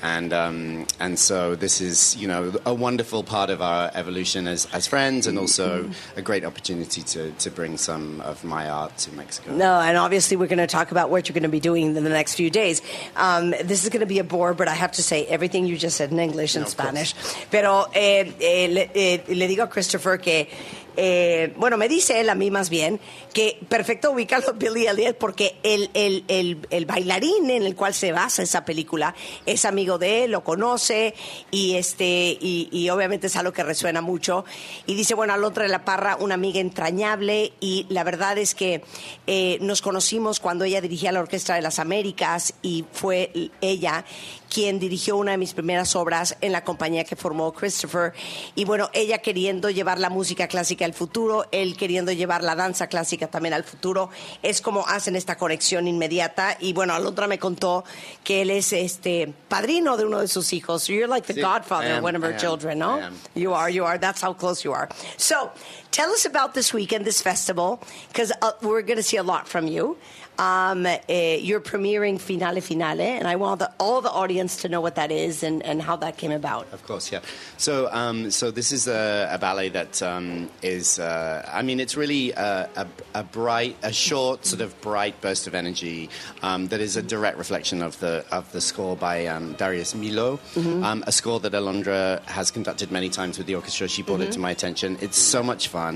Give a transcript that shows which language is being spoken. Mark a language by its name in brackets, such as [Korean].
[English] And so this is, you know, a wonderful part of our evolution as friends, and also a great opportunity to bring some of my art to Mexico. No, and obviously we're going to talk about what you're going to be doing in the next few days. This is going to be a bore, but I have to say everything you just said in English and Spanish. Course. [Spanish] Pero le digo a Christopher que... bueno, me dice él a mí más bien que perfecto ubica a Billy Elliot porque el bailarín en el cual se basa esa película es amigo de él, lo conoce y y obviamente es algo que resuena mucho. Y dice, bueno, Alondra de la Parra, una amiga entrañable y la verdad es que nos conocimos cuando ella dirigía la Orquesta de las Américas y fue ella quien dirigió una de mis primeras obras en la compañía que formó Christopher. Y bueno, ella queriendo llevar la música clásica al futuro, él queriendo llevar la danza clásica también al futuro, es como hacen esta conexión inmediata. Y bueno, Alondra me contó que él es padrino de uno de sus hijos. [English] So you're like the godfather of one of her children, no? You are, you are. That's how close you are. So tell us about this weekend, this festival, because we're going to see a lot from you. You're premiering Finale Finale, and I want all the audience to know what that is and how that came about. Of course, yeah. So so this is a ballet that is, I mean, it's really a short sort of bright burst of energy that is a direct reflection of the score by Darius Milhaud, a score that Alondra has conducted many times with the orchestra. She brought it to my attention. It's so much fun.